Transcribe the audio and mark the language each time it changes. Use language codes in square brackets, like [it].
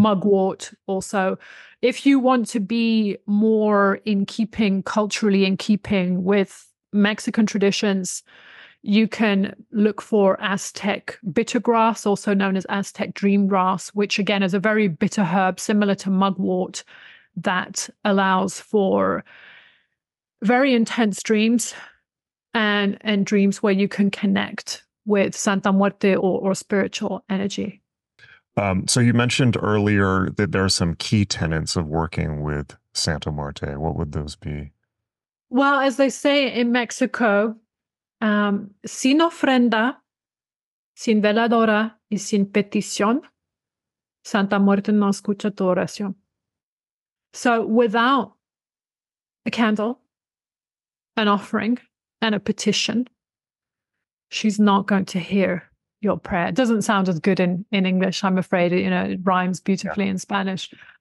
[en] Mugwort also. If you want to be more in keeping, culturally in keeping with Mexican traditions, you can look for Aztec bittergrass, also known as Aztec dreamgrass, which again is a very bitter herb similar to mugwort that allows for very intense dreams and dreams where you can connect with Santa Muerte or spiritual energy. So you mentioned earlier that there are some key tenets of working with Santa Muerte. What would those be? Well, as they say in Mexico, [es] sin ofrenda, sin veladora y sin petición, Santa Muerte no escucha tu oración. [en] So without a candle, an offering, and a petition, she's not going to hear your prayer. It doesn't sound as good in English, I'm afraid. You know, it rhymes beautifully in Spanish.